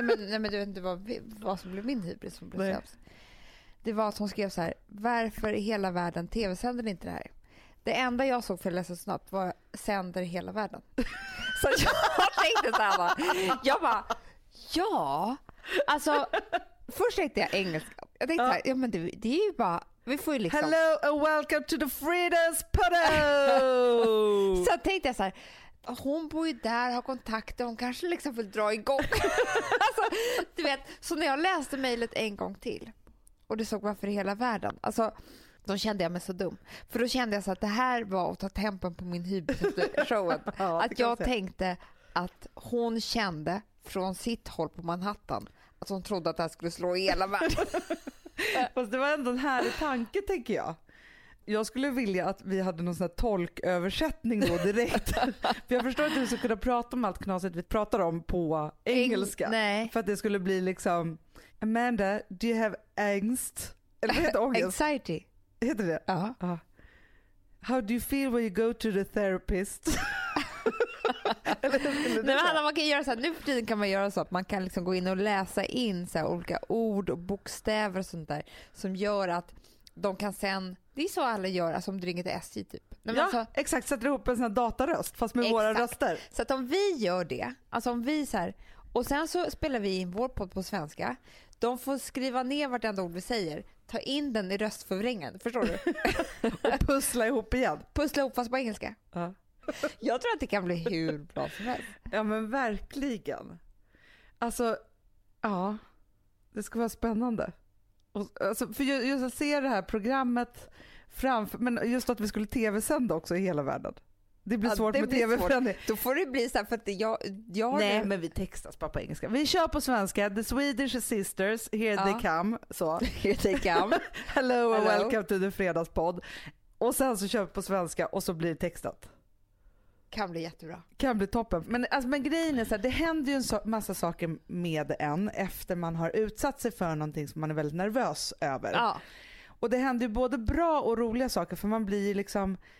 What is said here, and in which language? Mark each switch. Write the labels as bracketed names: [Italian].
[Swedish] Nej men du vet inte vad som blev min hybrid som blev sämst. Det var att hon skrev så här: varför i hela världen TV-sänder ni inte det här? Det enda jag såg för att läsa snabbt var sänder i hela världen. Så jag tänkte så här va. Jag bara, ja. Alltså, först tänkte jag engelska. Jag tänkte här, ja men det är ju bara, vi får ju liksom... [English] Hello and welcome to the Freedom's Puddle! [Swedish] Så tänkte jag så här, hon bor ju där, har kontakter, hon kanske liksom vill dra igång. Alltså, du vet, så när jag läste mejlet en gång till, och det såg man för hela världen, alltså, då kände jag mig så dum. För då kände jag så att det här var att ta tempen på min hybrid-showen. Ja, att jag tänkte att hon kände från sitt håll på Manhattan att hon trodde att det här skulle slå i hela världen. Fast det var ändå en härlig tanke, tänker jag. Jag skulle vilja att vi hade någon sån här tolköversättning då direkt. För jag förstår att du skulle kunna prata om allt knasigt vi pratar om på engelska. Nej. För att det skulle bli liksom, Amanda, [English] do you have angst? [Swedish] Eller vad heter ångest? [English] Anxiety. [Swedish] Heter det? Ja. [English] How do you feel when you go to the therapist? [Swedish] Nej, men man kan göra så här, nu för tiden kan man göra så att man kan liksom gå in och läsa in så här, olika ord och bokstäver och sånt där som gör att de kan sen, det är så alla gör, alltså om du ringer till SJ typ. Nej, ja, alltså, exakt, sätter ihop en sån här dataröst fast med exakt. Våra röster. Så att om vi gör det, alltså om vi så här, och sen så spelar vi in vår podd på svenska, de får skriva ner vartenda ord vi säger, ta in den i röstförvrängen, förstår du? Och pussla ihop igen. Pussla ihop fast på engelska. Ja. Jag tror att det kan bli hur bra som helst. Ja, men verkligen. Alltså, ja. Det ska vara spännande. Och, alltså, för just att se det här programmet framför... Men just att vi skulle tv-sända också i hela världen. Det blir svårt med tv-förändring. Då får det bli så här, för att jag nej, nu... men vi textas bara på engelska. Vi kör på svenska. [English] The Swedish sisters, here they come. [Swedish] Så. [English] Here they come. Hello and hello. Welcome to the fredagspod. [Swedish] Och sen så kör vi på svenska och så blir det textat. Kan bli jättebra. Kan bli toppen. Men, alltså, men grejen är så här, det händer ju en massa saker med en efter man har utsatt sig för någonting som man är väldigt nervös över. Ja. Och det händer ju både bra och roliga saker, för man blir liksom...